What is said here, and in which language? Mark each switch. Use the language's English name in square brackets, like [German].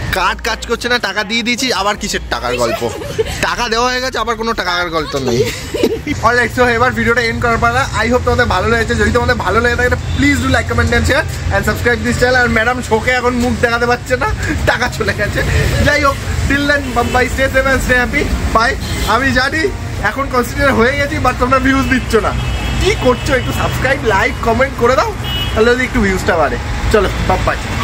[Bangla] Card কাজ করছে না, টাকা দিয়ে দিয়েছি, আবার কিসের টাকার গল্প? টাকা দেওয়া হয়ে গেছে, আবার কোনো টাকার গল্প নেই। অলরাইট, সো এবার ভিডিওটা এন্ড করার পর [English] I hope [Bangla] তোমাদের ভালো লেগেছে। যদি তোমাদের ভালো লেগে থাকে [English] Please do like comment and share and subscribe this channel. [Bangla] আর madam শোকে এখন মুখ দেখাতে পারছে না, টাকা চলে গেছে। যাই হোক, [English] Till then, Bombay, stay safe and stay happy. Bye. [Bangla] আমি জানি এখন কনসিডার হয়ে গেছি বাট তোমরা ভিউজ দিচ্ছ না কি করছো একটু সাবস্ক্রাইব লাইক কমেন্ট করে দাও তাহলে একটু ভিউজটা বাড়ে চলো বাই বাই।